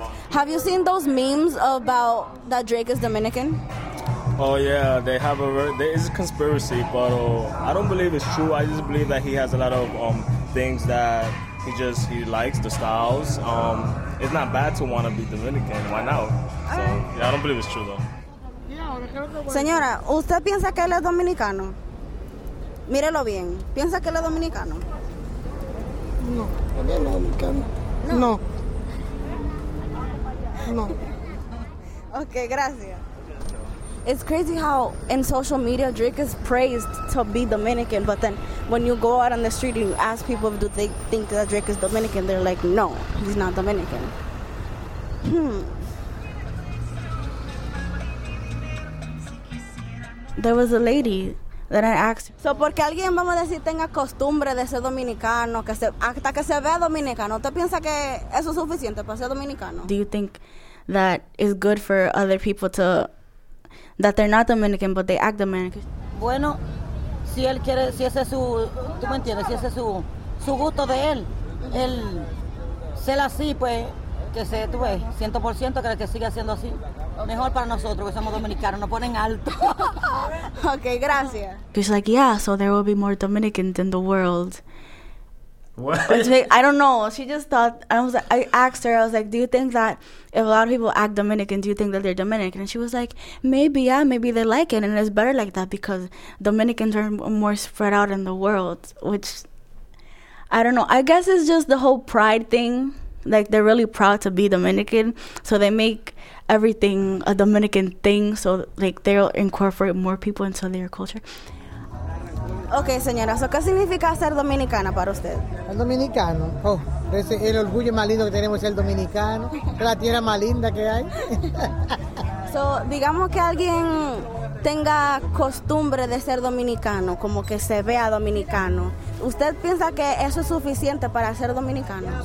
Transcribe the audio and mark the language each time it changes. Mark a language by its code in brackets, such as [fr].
[en] Have you seen those memes about that Drake is Dominican? Oh yeah, they have there is a conspiracy, but I don't believe it's true. I just believe that he has a lot of things that he likes, the styles. It's not bad to want to be Dominican, why not? So yeah, I don't believe it's true though. [es] Señora, ¿usted piensa que él es dominicano? Mírelo bien, ¿piensa que él es dominicano? [en] No. Are they American? No. No. No. [es] Okay, gracias. [en] It's crazy how in social media Drake is praised to be Dominican, but then when you go out on the street and you ask people if they think that Drake is Dominican, they're like, no, he's not Dominican. There was a lady that I asked. [es] So, porque alguien, vamos a decir, tenga costumbre de ser dominicano, que se, hasta que se vea dominicano, ¿usted piensa que eso es suficiente para ser dominicano? [en] Do you think that it's good for other people to, that they're not Dominican, but they act Dominican? [es] Bueno, si él quiere, si ese es su, tú me entiendes, si ese es su, su gusto de él, él ser así, pues, que se, tú ves, 100% que el que siga siendo así. Mejor para nosotros, que somos dominicanos, nos ponen alto. Okay, gracias. [en] She's like, yeah, so there will be more Dominicans in the world. What? Like, I don't know. She just thought, I was like, I asked her, I was like, do you think that if a lot of people act Dominican, do you think that they're Dominican? And she was like, maybe, yeah, maybe they like it. And it's better like that because Dominicans are more spread out in the world, which I don't know. I guess it's just the whole pride thing. Like, they're really proud to be Dominican. So they make everything a Dominican thing. So, like, they'll incorporate more people into their culture. [es] Okay, señora, so, ¿qué significa ser dominicana para usted? El dominicano, oh, ese es el orgullo más lindo que tenemos, ser dominicano, la tierra más linda que hay. So, digamos que alguien tenga costumbre de ser dominicano, como que se vea dominicano, ¿usted piensa que eso es suficiente para ser dominicano?